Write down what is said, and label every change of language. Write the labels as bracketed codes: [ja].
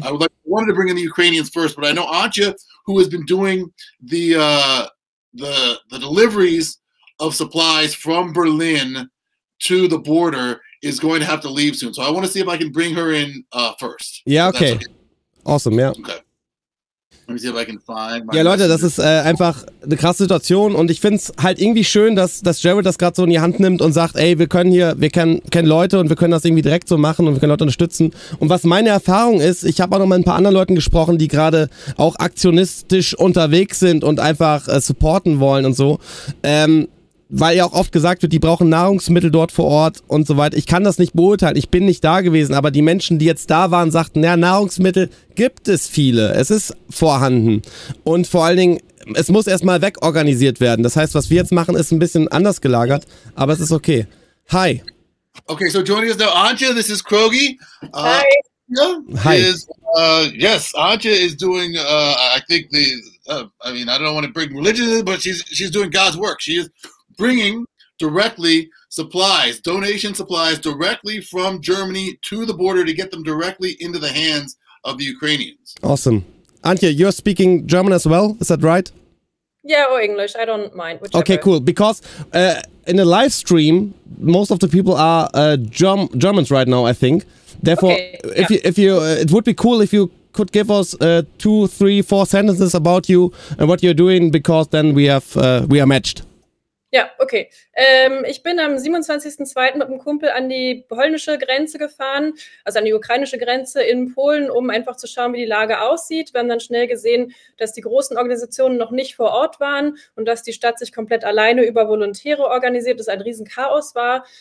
[en] I wanted to bring in the Ukrainians first, but I know Antje, who has been doing the deliveries of supplies from Berlin to the border, is going to have to leave soon. So I want to see if I can bring her in first. Yeah, okay. Awesome, yeah. Okay. Let me see if I can find [de] my... Ja, Leute, das ist einfach eine krasse Situation, und ich finde es halt irgendwie schön, dass Jared das gerade so in die Hand nimmt und sagt, ey, wir kennen Leute und wir können das irgendwie direkt so machen und wir können Leute unterstützen. Und was meine Erfahrung ist, ich habe auch noch mal ein paar anderen Leuten gesprochen, die gerade auch aktionistisch unterwegs sind und einfach supporten wollen und so, weil ja auch oft gesagt wird, die brauchen Nahrungsmittel dort vor Ort und so weiter. Ich kann das nicht beurteilen, ich bin nicht da gewesen, aber die Menschen, die jetzt da waren, sagten, ja, Nahrungsmittel gibt es viele, es ist vorhanden. Und vor allen Dingen, es muss erstmal wegorganisiert werden. Das heißt, was wir jetzt machen, ist ein bisschen anders gelagert, aber es ist okay. Hi. [en] Okay, so joining us now, Antje, this is Krogi. Hi. Hi. Yes, Antje is doing, I don't want to bring religion, but she's doing God's work. She is bringing directly supplies, donation supplies, directly from Germany to the border to get them directly into the hands of the Ukrainians. Awesome. Antje, you're speaking German as well, is that right? Yeah, or English, I don't mind, whichever. Okay, cool, because in the live stream, most of the people are Germans right now, I think. Therefore, okay, if it would be cool if you could give us 2, 3, 4 sentences about you and what you're doing, because then we are matched. [de] Ja, okay. Ich bin am 27.02. mit einem Kumpel an die polnische Grenze gefahren, also an die ukrainische Grenze in Polen, um einfach zu schauen, wie die Lage aussieht. Wir haben dann schnell gesehen, dass die großen Organisationen noch nicht vor Ort waren und dass die Stadt sich komplett alleine über Volontäre organisiert, dass ein Riesenchaos war.